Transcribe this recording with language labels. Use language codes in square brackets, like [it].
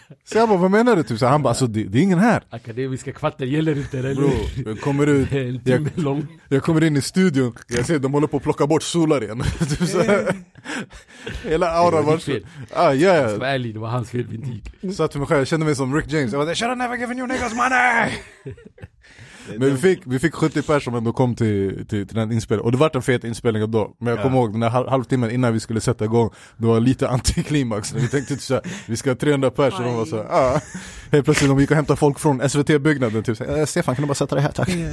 [sv] Så jag bara, vad menar du, typ så han bara, alltså det är ingen här. Akademiska kvarter gäller inte, eller? Bro, jag kommer ut. Jag kommer in i studion. Jag ser de håller på att plocka bort solar igen. Typ så hela aura var så. Ah, ja. Så ärligt, det var hans fel, inte jag. Så att jag kände mig som Rick James. Jag var, [en] should have never given you niggas money. [sv] Men vi fick 70 personer som kom till den inspelningen. Och det var en fet inspelning då. Men jag kommer ihåg den här halvtimmen innan vi skulle sätta igång. Det var lite antiklimax. Vi tänkte typ såhär, vi ska ha 300 personer. Och så här, helt plötsligt, de gick och hämtade folk från SVT-byggnaden. Typ såhär, Stefan, kan du bara sätta dig här, tack.